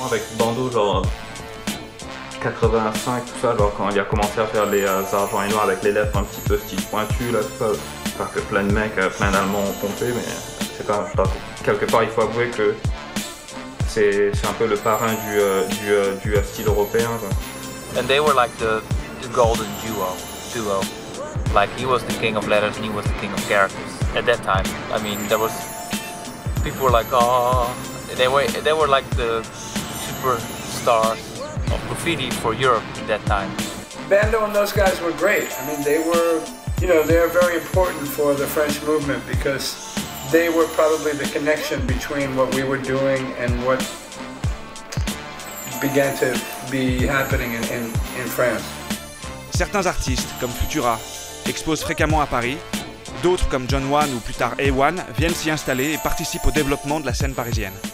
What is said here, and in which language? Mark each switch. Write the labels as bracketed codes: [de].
[fr] Avec Bandeau, genre 85, tout ça, genre quand il a commencé à faire les argents et noirs avec les lèvres un petit peu style pointu, là, tout ça, parce que plein de mecs, plein d'Allemands ont pompé, mais c'est pas, quelque part, il faut avouer que c'est un peu le parrain du style européen. Quoi. [en] And they were like the golden duo. Like, he was the king of letters and he was the king of characters at that time. I mean, there was. People were like, oh. They were like the superstars. Of graffiti for Europe at that time. Bandeau and those guys were great. I mean, they were, you know, they're very important for the French movement because they were probably the connection between what we were doing and what began to be happening in France. [fr] Certains artistes, comme Futura, exposent fréquemment à Paris. D'autres, comme John Wan ou plus tard A1, viennent s'y installer et participent au développement de la scène parisienne.